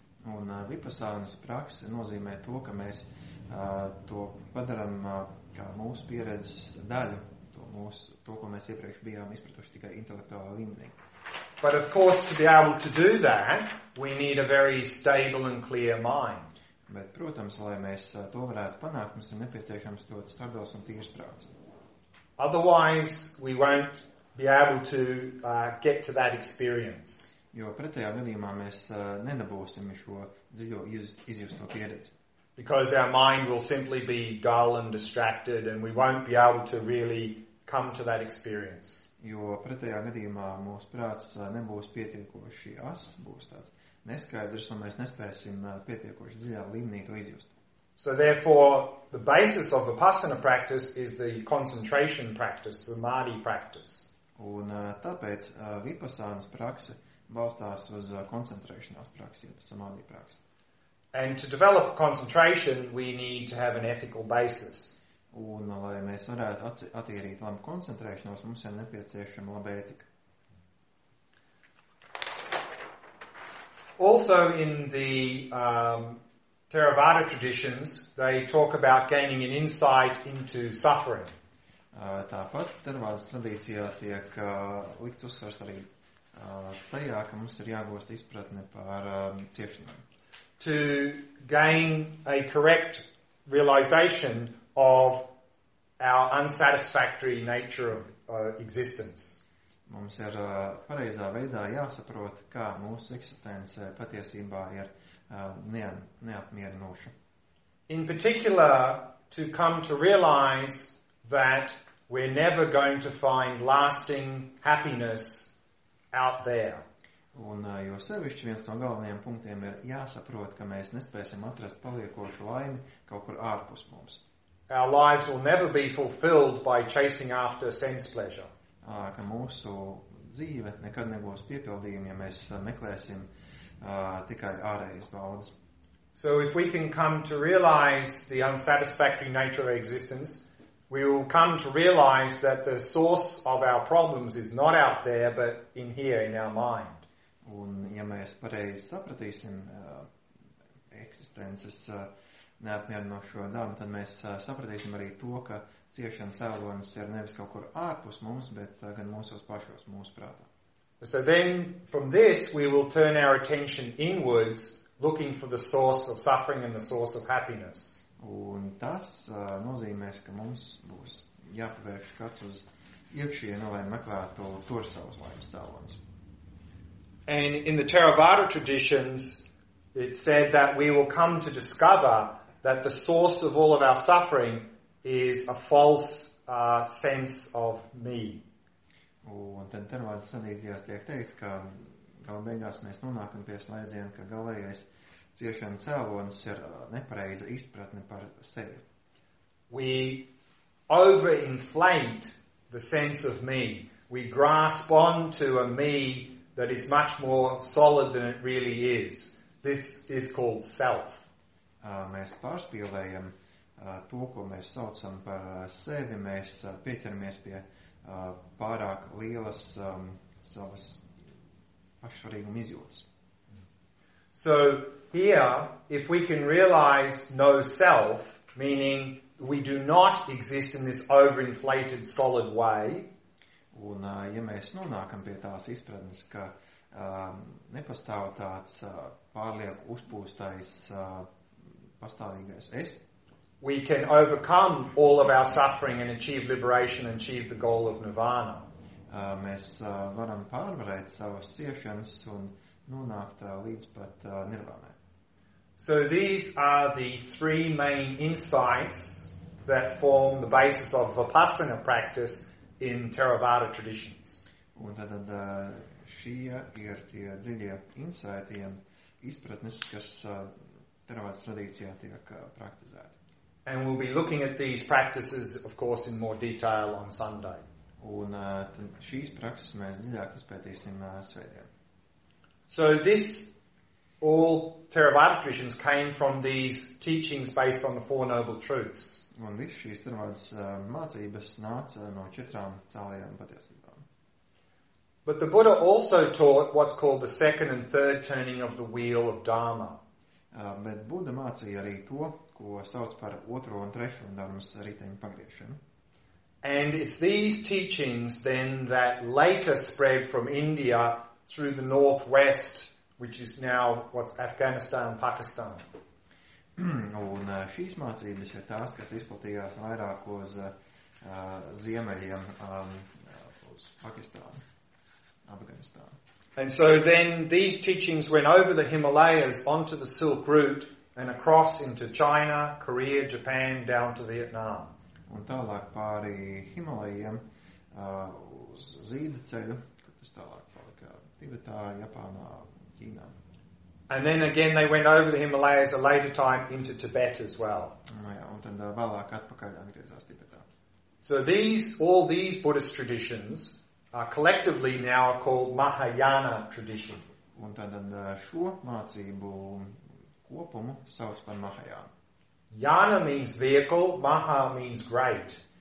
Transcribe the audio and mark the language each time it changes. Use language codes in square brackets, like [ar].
[lv] Un Vipassanas praksa nozīmē to, ka mēs to padaram kā mūsu pieredzes daļu, to, ko mēs iepriekš bijām izpratuši tikai intelektuālā līmenī. [en] But of course, to be able to do that, we need a very stable and clear mind. [lv] Bet, protams, lai mēs to varētu panākt, mums ir nepieciešams ļoti stabils un tīrs prāts. [en] Otherwise, we won't be able to get to that experience. [lv] Jo pretējā gadījumā mēs nedabūsim šo dziļo izjusto pieredzi. [en] Because our mind will simply be dull and distracted and we won't be able to really come to that experience. [lv] Jo pretējā gadījumā mūsu prāts nebūs pietiekoši ass, būs tāds neskaidrs un mēs nespēsim pietiekoši dziļā līmenī to izjust. [en] So therefore, the basis of Vipassana practice is the concentration practice, samadhi practice. [lv] Un tāpēc Vipassanas praksa balstās uz koncentrēšanās praksi, samadhi praksi. [en] And to develop concentration, we need to have an ethical basis. [lv] Un, lai mēs varētu attīrīt labu koncentrēšanos, mums ir nepieciešama laba ētika. [en] Also in the Theravada traditions, they talk about gaining an insight into suffering. [lv] Tāpat Theravādas tradīcijā tiek likts uzsvars arī tajā, ka mums ir jāgūst izpratne par ciešanām. [en] To gain a correct realization of our unsatisfactory nature of existence. [lv] Mums ir pareizā veidā jāsaprot, kā mūsu eksistence patiesībā ir neapmierinoša. [en] In particular, to come to realize that we're never going to find lasting happiness out there. [lv] Un jo sevišķi viens no galvenajiem punktiem ir jāsaprot, ka mēs nespēsim atrast paliekošu laimi kaut kur ārpus mums. [en] Our lives will never be fulfilled by chasing after sense pleasure. [lv] Ka mūsu dzīve nekad nebūs piepildījuma, ja mēs meklēsim tikai ārējas baudas. [en] So if we can come to realize the unsatisfactory nature of existence, we will come to realize that the source of our problems is not out there, but in here, in our mind. [lv] Un ja mēs pareizi sapratīsim eksistences neapmierinošo dāmu, tad mēs sapratīsim arī to, ka ciešana cēlonis ir nevis kaut kur ārpus mums, bet gan mūsos pašos, mūsu prātā. [en] So then, from this, we will turn our attention inwards, looking for the source of suffering and the source of happiness. [lv] Un tas nozīmēs, ka mums būs jāpavērš skats uz iekšienu, lai meklētu tur savus laimes cēlonis. [en] And in the Theravada traditions, it said that we will come to discover that the source of all of our suffering is a false sense of me. [lv] Un tad Theravādas tradīcijās tiek teikts, ka galu beigās mēs nonākam pie slēdziena, ka galējais ciešana cēlonis ir nepareiza izpratne par sevi. [en] We overinflate the sense of me. We grasp on to a me that is much more solid than it really is. This is called self. [lv] Mēs pārspīlējam to, ko mēs saucam par sevi, mēs pieķeramies pie pārāk lielas savas pašsvarīguma izjūtas. [en] So here, if we can realize no self, meaning we do not exist in this overinflated solid way, [lv] un ja mēs nonākam pie tās izpratnes, ka nepastāv tāds pārlieku uzpūstais pastāvīgais es. [en] we can overcome all of our suffering and achieve liberation and achieve the goal of nirvana. [lv] Mēs varam pārvarēt savas ciešanas un nonākt līdz pat nirvānai. [en] So these are the three main insights that form the basis of Vipassana practice in Theravada traditions. [lv] Un tad šie ir tie dziļie insightiem izpratnes, kas Theravada tradīcijā tiek praktizēti. [en] And we'll be looking at these practices, of course, in more detail on Sunday. [lv] Un šīs prakses mēs dziļāk izpētīsim svētdien. [en] So this all Theravada traditions came from these teachings based on the Four Noble Truths. [lv] Un viss šīs Theravādas mācības nāca no četrām cēlējām patiesībām. [en] But the Buddha also taught what's called the second and third turning of the wheel of Dharma. [lv] Bet Buddha mācīja arī to, ko sauc par otro un trešo dharmas riteņu pagriešanu. [en] And it's these teachings then that later spread from India through the northwest, which is now what's Afghanistan, Pakistan. [lv] Un šīs mācības ir tās, kas izplatījās vairāk uz ziemeļiem, uz Pakistānu, Afganistānu. [en] And so then these teachings went over the Himalayas onto the Silk Route and across into China, Korea, Japan, down to Vietnam. [lv] Un tālāk pāri Himalajiem uz Zīda ceļu, kad tas tālāk palika Tibetā, Japānā, Ķīnā. [en] And then again they went over the Himalayas a later time into Tibet as well. [lv] No, jā, un tad vēlāk atpakaļ atgriezās Tibetā. [en] So these, all these Buddhist traditions are collectively now called Mahayana tradition. [lv] Un tad šo mācību kopumu sauc par Mahayana. [en] Yana means vehicle, Maha means great.